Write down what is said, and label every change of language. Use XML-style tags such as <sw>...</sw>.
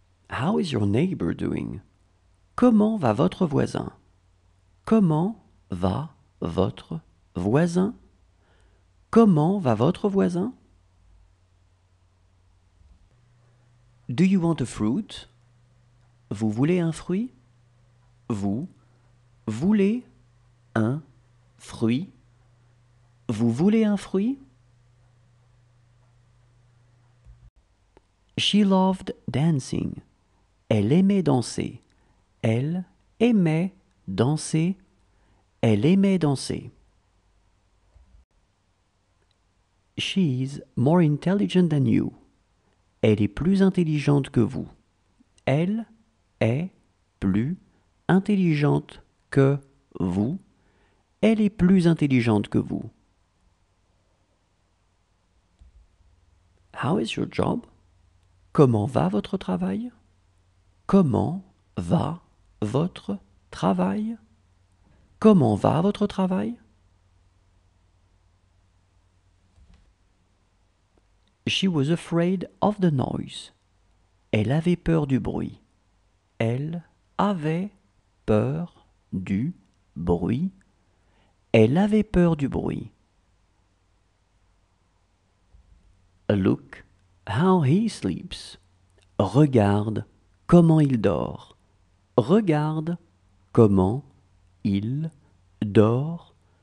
<en>How is your neighbor doing?</en> <fr>Comment va votre voisin? Comment va votre voisin? Comment va votre voisin?</fr> <en>Do you want a fruit?</en> <fr>Vous voulez un fruit? Vous voulez un fruit? Vous voulez un fruit?</fr> <en>She loved dancing.</en> <fr>Elle aimait danser. Elle aimait danser. Elle aimait danser.</fr> <en>She is more intelligent than you.</en> <fr>Elle est plus intelligente que vous. Elle est plus intelligente que vous. Elle est plus intelligente que vous.</fr> <en>How is your job?</en> <fr>Comment va votre travail? Comment va votre travail? Comment va votre travail?</fr> <en>She was afraid of the noise.</en> <fr>Elle avait peur du bruit. Elle avait peur du bruit. Elle avait peur du bruit.</fr> <en>Look how he sleeps.</en> <fr>Regarde comment il dort. Regarde comment il dort.</fr>